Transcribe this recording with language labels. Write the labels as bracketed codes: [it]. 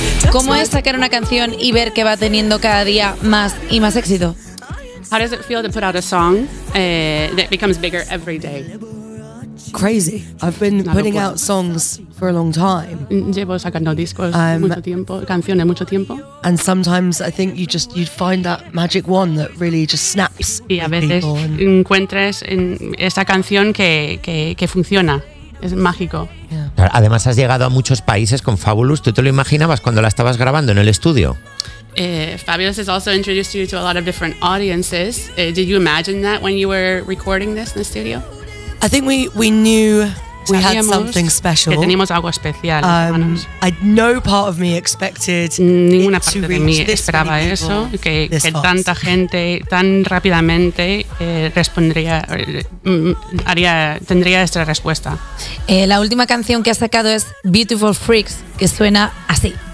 [es] ¿Cómo es sacar una canción y ver que va teniendo cada día más y más éxito? [en] How does it feel to put out a song that becomes bigger every day? Crazy. I've been putting out songs for a long time. [es] Llevo sacando discos mucho tiempo, canciones mucho tiempo. [en] And sometimes I think you'd find that magic one that really just snaps. [es] Y a veces encuentres en esa canción que funciona. Es mágico. [en] Yeah. [es] Además has llegado a muchos países con Fabulous. ¿Tú te lo imaginabas cuando la estabas grabando en el estudio? [en] Fabulous has also introduced you to a lot of different audiences. Did you imagine that when you were recording this in the studio? I think we knew we had something special. [es] Que teníamos algo especial. [en] No part of me expected [es] ninguna parte de mí esperaba eso, que tanta gente tan rápidamente tendría esta respuesta. La última canción que has sacado es Beautiful Freaks, que suena así.